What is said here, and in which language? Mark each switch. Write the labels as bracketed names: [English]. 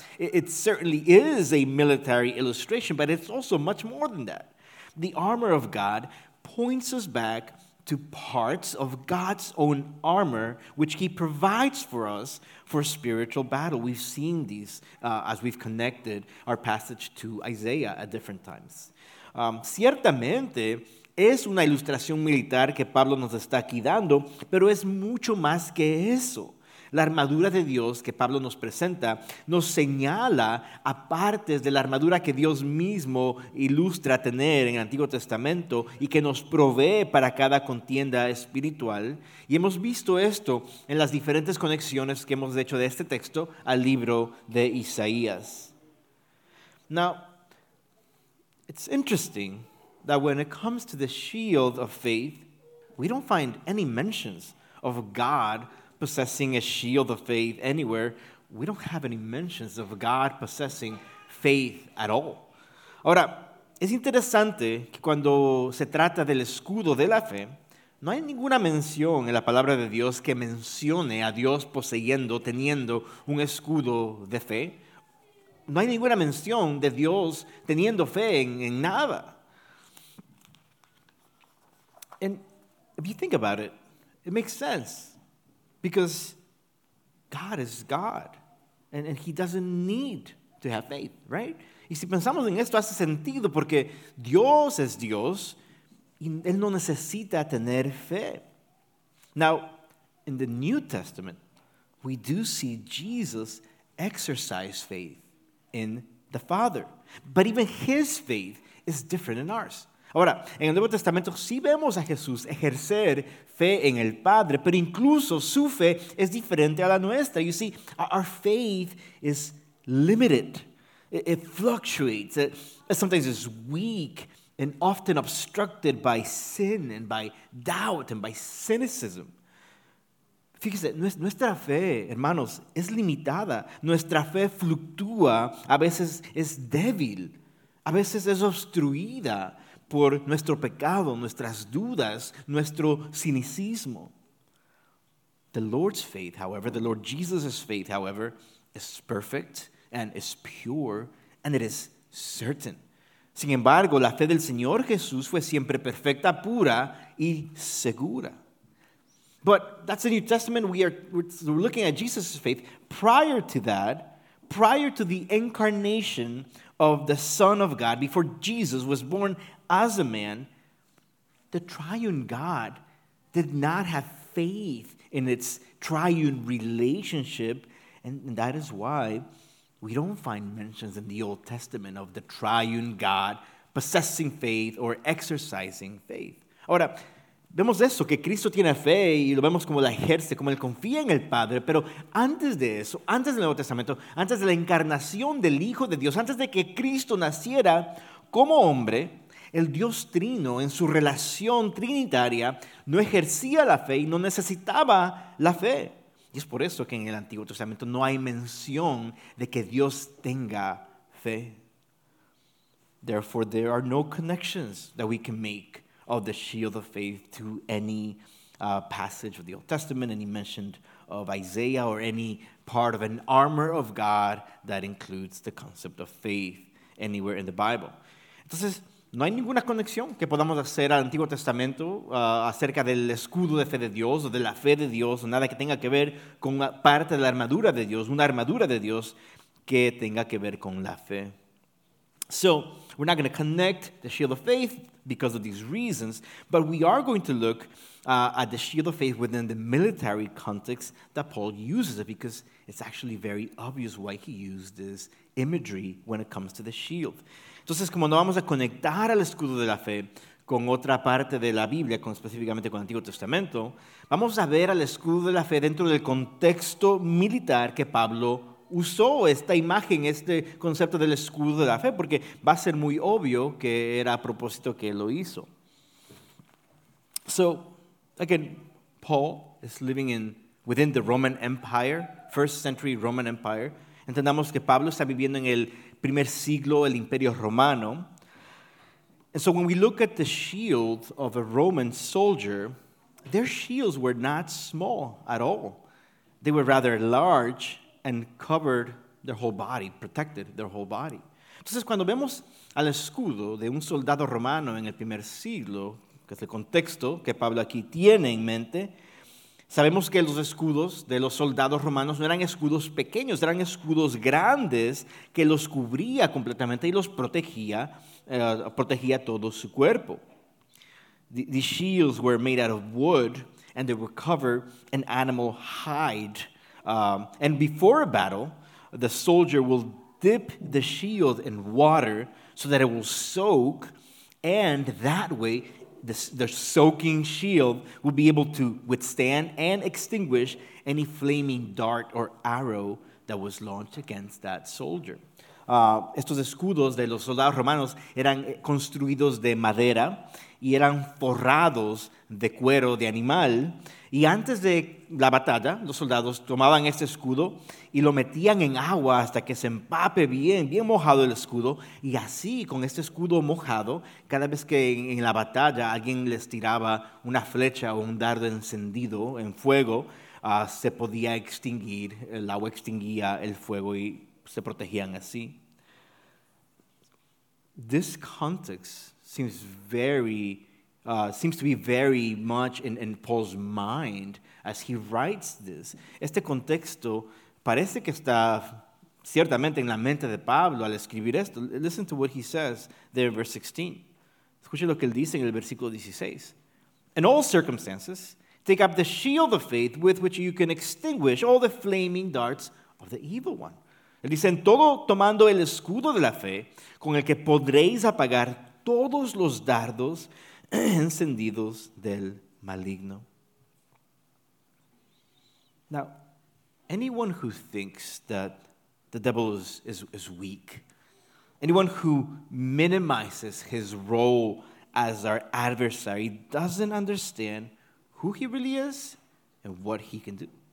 [English] It certainly is a military illustration, but it's also much more than that. The armor of God points us back to parts of God's own armor, which he provides for us for spiritual battle. We've seen these as we've connected our passage to Isaiah at different times. [Spanish] Ciertamente, es una ilustración militar que Pablo nos está aquí dando, pero es mucho más que eso. La armadura de Dios que Pablo nos presenta nos señala a partes de la armadura que Dios mismo ilustra tener en el Antiguo Testamento y que nos provee para cada contienda espiritual. Y hemos visto esto en las diferentes conexiones que hemos hecho de este texto al libro de Isaías. [English] Now, it's interesting that when it comes to the shield of faith, we don't find any mentions of God possessing a shield of faith anywhere. We don't have any mentions of God possessing faith at all. [Spanish] Ahora, es interesante que cuando se trata del escudo de la fe, no hay ninguna mención en la palabra de Dios que mencione a Dios poseyendo, teniendo un escudo de fe. No hay ninguna mención de Dios teniendo fe en nada. [English] And if you think about it, it makes sense. Because God is God, and he doesn't need to have faith, right? [Spanish] Y si pensamos en esto, hace sentido, porque Dios es Dios, y él no necesita tener fe. [English] Now, in the New Testament, we do see Jesus exercise faith in the Father. But even his faith is different than ours. [Spanish] Ahora, en el Nuevo Testamento sí vemos a Jesús ejercer fe en el Padre, pero incluso su fe es diferente a la nuestra. [English] You see, our faith is limited. It fluctuates. It sometimes is weak and often obstructed by sin and by doubt and by cynicism. [Spanish] Fíjese, nuestra fe, hermanos, es limitada. Nuestra fe fluctúa, a veces es débil, a veces es obstruida por nuestro pecado, nuestras dudas, nuestro cinicismo. [English] The Lord's faith, however, the Lord Jesus' faith, however, is perfect and is pure and it is certain. [Spanish] Sin embargo, la fe del Señor Jesús fue siempre perfecta, pura y segura. [English] But that's the New Testament. We're looking at Jesus' faith. Prior to that, prior to the incarnation of the Son of God, before Jesus was born as a man, the triune God did not have faith in its triune relationship. And that is why we don't find mentions in the Old Testament of the triune God possessing faith or exercising faith. [Spanish] Ahora, vemos eso, que Cristo tiene fe y lo vemos como la ejerce, como él confía en el Padre. Pero antes de eso, antes del Nuevo Testamento, antes de la encarnación del Hijo de Dios, antes de que Cristo naciera como hombre, el Dios Trino, en su relación trinitaria, no ejercía la fe y no necesitaba la fe. Y es por eso que en el Antiguo Testamento no hay mención de que Dios tenga fe. [English] Therefore, there are no connections that we can make of the shield of faith to any passage of the Old Testament, any mention of Isaiah, or any part of an armor of God that includes the concept of faith anywhere in the Bible. [Spanish] Entonces, no hay ninguna conexión que podamos hacer al Antiguo Testamento acerca del escudo de fe de Dios o de la fe de Dios o nada que tenga que ver con parte de la armadura de Dios, una armadura de Dios que tenga que ver con la fe. [English] So, we're not going to connect the shield of faith because of these reasons, but we are going to look at the shield of faith within the military context that Paul uses it, because it's actually very obvious why he used this imagery when it comes to the shield. [Spanish] Entonces, como no vamos a conectar al escudo de la fe con otra parte de la Biblia, con específicamente con el Antiguo Testamento, vamos a ver al escudo de la fe dentro del contexto militar que Pablo usó esta imagen, este concepto del escudo de la fe, porque va a ser muy obvio que era a propósito que lo hizo. [English] So, again, Paul is living within the Roman Empire, first century Roman Empire. [Spanish] Entendamos que Pablo está viviendo en el primer siglo, el Imperio Romano. [English] And so when we look at the shield of a Roman soldier, their shields were not small at all. They were rather large and covered their whole body, protected their whole body. [Spanish] Entonces, cuando vemos al escudo de un soldado romano en el primer siglo, que es el contexto que Pablo aquí tiene en mente, sabemos que los escudos de los soldados romanos no eran escudos pequeños, eran escudos grandes que los cubría completamente y los protegía, protegía todo su cuerpo. [English] The shields were made out of wood and they were covered in animal hide. And before a battle, the soldier will dip the shield in water so that it will soak, and that way the soaking shield will be able to withstand and extinguish any flaming dart or arrow that was launched against that soldier. [Spanish] Estos escudos de los soldados romanos eran construidos de madera y eran forrados de cuero de animal. Y antes de la batalla, los soldados tomaban este escudo y lo metían en agua hasta que se empape bien, bien mojado el escudo. Y así, con este escudo mojado, cada vez que en la batalla alguien les tiraba una flecha o un dardo encendido en fuego, se podía extinguir, el agua extinguía el fuego y se protegían así. [English] This context seems very seems to be very much in Paul's mind as he writes this. [Spanish] Este contexto parece que está ciertamente en la mente de Pablo al escribir esto. [English] Listen to what he says there in verse 16. [Spanish] Escuche lo que él dice en el versículo 16. [English] In all circumstances, take up the shield of faith with which you can extinguish all the flaming darts of the evil one. [Spanish] Él dice, en todo tomando el escudo de la fe con el que podréis apagar todos los dardos encendidos del maligno. [English] Now, anyone who thinks that the devil is weak, anyone who minimizes his role as our adversary doesn't understand who he really is and what he can do.